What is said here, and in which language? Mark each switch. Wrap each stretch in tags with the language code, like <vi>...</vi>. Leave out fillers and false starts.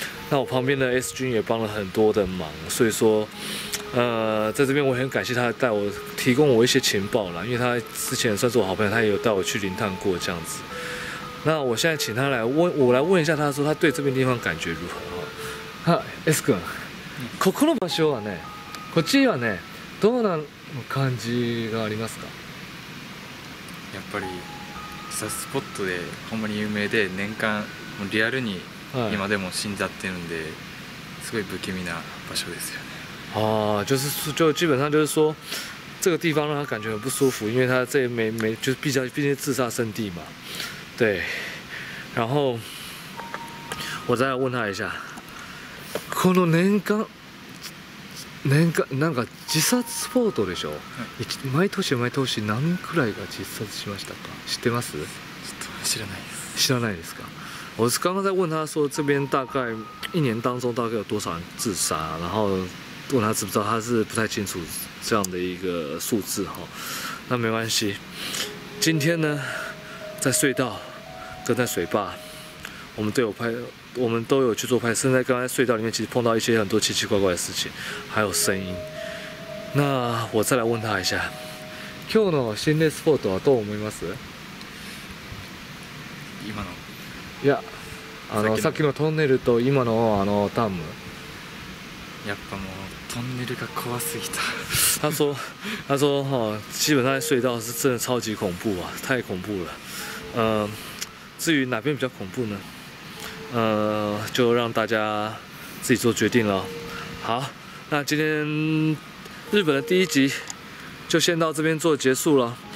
<zh>那我旁边的 S 君也帮了很多的忙，所以说。在这边我很感谢他带我提供我一些情报啦，因为他之前算是我好朋友，他也有带我去灵探过这样子。那我现在请他来问，我来问一下他说他对这边地方感觉如何哈。</zh> <ja>哈 ，S 君，ここの場所はね、こっちはね、どうな感じがありますか？やっぱりサスポットでほんまに有名で年間リアルに今でも死んじゃってるんで、すごい不気味な場所ですよね。</ja> <zh>哦，就基本上就是说，这个地方让他感觉很不舒服，因为他这没就是毕竟自杀圣地嘛，对。然后我再来问他一下，</zh> <ja>この年間なんか自殺スポットでしょ？毎年何くらいが自殺しましたか？知ってます？ちょっと知らないです。知らないですか？</ja> <zh>我是刚刚在问他说，这边大概一年当中大概有多少人自杀，然后。问他知不知道，他是不太清楚这样的一个数字哈。那没关系，今天呢，在隧道跟在水坝，我们都有去做拍摄。甚至在刚才隧道里面，其实碰到一些很多奇奇怪怪的事情，还有声音。那我再来问他一下，</zh> <ja>今日の心霊スポットはどう思います？今の、いや、あのさっきのトンネルと今のあのダム。やっぱもうトンネルが怖すぎた。</ja> <zh>他说哈，基本上隧道是真的超级恐怖啊，太恐怖了。至于哪边比较恐怖呢？就让大家自己做决定了。好，那今天日本的第一集就先到这边做结束了。</zh>